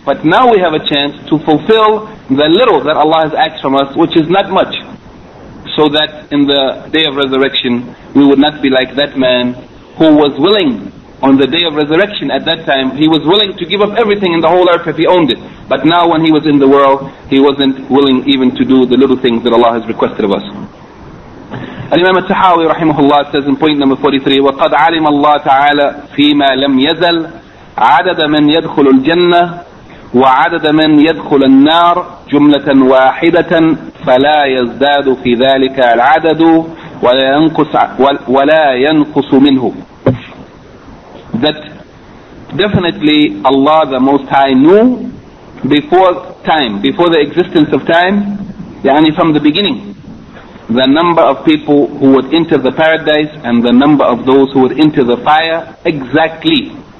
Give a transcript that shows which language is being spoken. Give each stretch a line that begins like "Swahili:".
English: But now we have a chance to fulfill the little that Allah has asked from us, which is not much, so that in the day of resurrection we would not be like that man who was willing on the day of resurrection. At that time he was willing to give up everything in the whole earth if he owned it, but now when he was in the world he wasn't willing even to do the little things that Allah has requested of us. Al-Imam al-Tahawi rahimahullah says in point number 43,
Arabic: وَقَدْ عَلِمَ اللَّهُ تَعَالَى فِي مَا لَمْ يَزَلْ عَدَدَ مَنْ يَدْخُلُ الْجَنَّةِ وَعَدَدَ مَنْ يَدْخُلُ النَّارِ جُمْلَةً وَاحِدَةً فَلَا يَزْدَادُ فِي ذَلِكَ الْعَدَدُ وَلَا يَنْقُسُ مِنْهُ.
English: That definitely Allah the Most High knew before time, before the existence of time, يعني from the beginning, the number of people who would enter the paradise and the number of those who would enter the fire exactly.